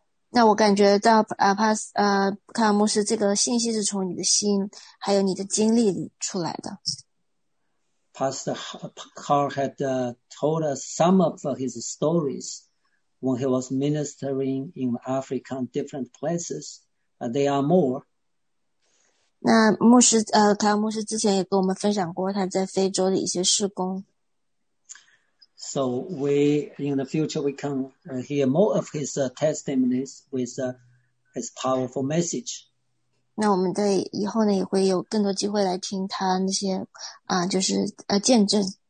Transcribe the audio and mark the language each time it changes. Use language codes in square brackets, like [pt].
[zh] 那我感觉到Pastor Carl 牧师这个信息是从你的心还有你的经历出来的。 [en] Pastor Carl had told us some of his stories when he was ministering in Africa and different places. There are more. [zh] 那牧师卡牧师之前也跟我们分享过他在非洲的一些事工。 [en] So we, in the future, we can hear more of his testimonies with his powerful message. [zh] 那我们在以后呢也会有更多机会来听他那些就是见证。